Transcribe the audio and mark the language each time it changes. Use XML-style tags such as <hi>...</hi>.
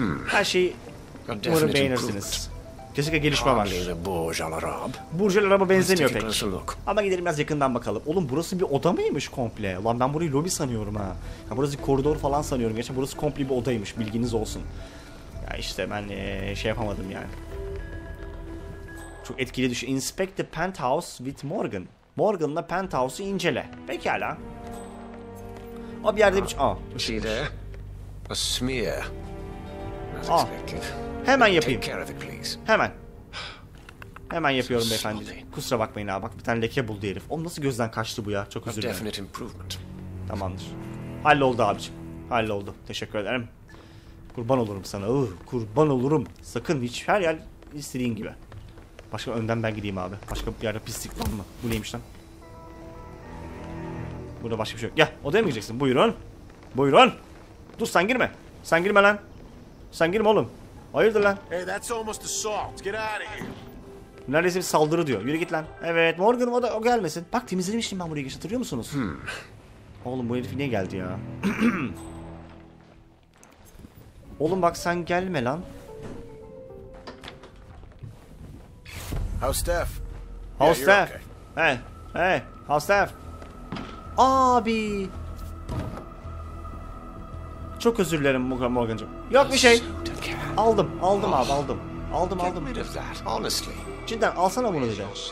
<tr>Her şeyi umarım beğenirsiniz. Kesinlikle gelişme var. Burj Al Arab'a benzemiyor pek. Ama gidelim biraz yakından bakalım. Oğlum burası bir oda mıymış komple? Lan ben burayı lobi sanıyorum ha. Ya burası koridor falan sanıyorum. Gerçekten burası komple bir odaymış. Bilginiz olsun. Ya işte ben şey yapamadım yani. Çok etkili düşün.</tr> <en>Inspect the penthouse with Morgan.</en> <tr>Morgan'la penthouse'u incele. Pekala. O bir yerde bir... Aa.</tr> <en>See there? A smear.</en> <tr>Aa. Hemen yapayım. Hemen. Hemen yapıyorum beyefendi. Kusura bakmayın abi. Bak bir tane leke buldu herif. Oğlum nasıl gözden kaçtı bu ya? Çok üzüldüm.</tr> <en>Definite improvement.</en> <tr>Tamamdır. Halloldu abiciğim. Halloldu. Teşekkür ederim. Kurban olurum sana. Kurban olurum. Sakın hiç her yer istediğin gibi. Başka önden ben gideyim abi. Başka bir yerde pislik var mı? Bu neymiş lan? Burada başka bir şey yok. Gel odaya mı gireceksin? Buyurun. Buyurun. Dur sen girme. Sen girme lan. Sen girme oğlum. Hayırdır lan?</tr> <en>Hey, that's almost assault. Get out of here.</en> <tr>Neredeyse bir saldırı diyor. Yürü git lan. Evet Morgan, o da o gelmesin. Bak temizlemiştim ben burayı, hatırlıyor musunuz? Hmm. Oğlum bu herif niye geldi ya? Oğlum bak sen gelme lan.</tr> <en>How's Steph? How's Steph? Yeah, okay. Hey, hey, how's Steph?</en> <tr>Abi. Çok özür dilerim Morgan'cığım. Yok bir şey. Aldım, aldım abi, aldım. Aldım, aldım. Cidden alsana bunu dedi.</tr>